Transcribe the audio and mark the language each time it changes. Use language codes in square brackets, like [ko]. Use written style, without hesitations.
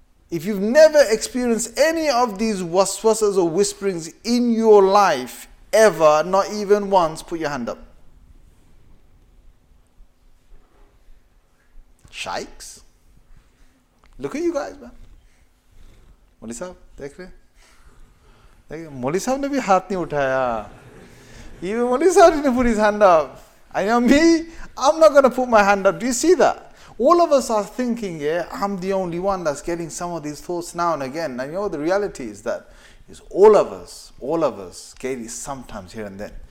[en] If you've never experienced any of these waswasas or whisperings in your life, ever, not even once, put your hand up. Shaykhs? Look at you guys, man. [ur] مولی صاحب، دیکھ رہے؟ مولی صاحب نے بھی ہاتھ نہیں اٹھایا۔ [en] Even Moli sahab didn't put his hand up. And you know me? I'm not going to put my hand up. Do you see that? All of us are thinking, yeah, I'm the only one that's getting some of these thoughts now and again. And you know, the reality is that it's all of us get this sometimes here and then.